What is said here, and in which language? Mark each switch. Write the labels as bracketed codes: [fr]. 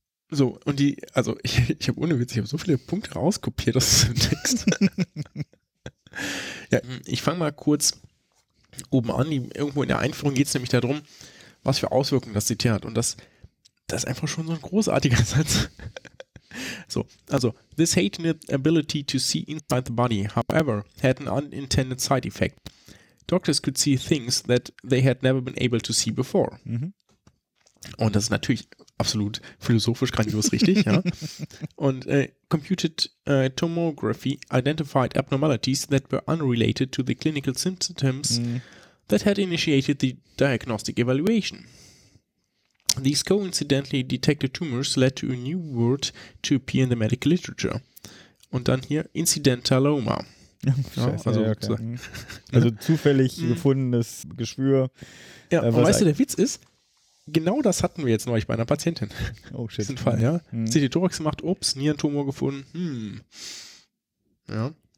[de] So, und die, also ich habe ohne Witz, ich habe so viele Punkte rauskopiert aus dem Text. Ja, ich fange mal kurz oben an. Irgendwo in der Einführung geht es nämlich darum, was für Auswirkungen das CT hat. Und das ist einfach schon so ein großartiger Satz. [en] So, also, this heightened ability to see inside the body, however, had an unintended side effect. Doctors could see things that they had never been able to see before. Mhm. [de] Und das ist natürlich absolut philosophisch grandios richtig, ja. [en] Und computed tomography identified abnormalities that were unrelated to the clinical symptoms that had initiated the diagnostic evaluation. These coincidentally detected tumors led to a new word to appear in the medical literature. [de] Und dann hier incidentaloma. Scheiße, ja, okay. Also zufällig gefundenes Geschwür. Ja, und weißt du, der Witz ist, genau das hatten wir jetzt neulich bei einer Patientin. [en] Oh shit. [de] Das ist ein Fall, ja. CT-Thorax gemacht, ups, Nierentumor gefunden. Ja.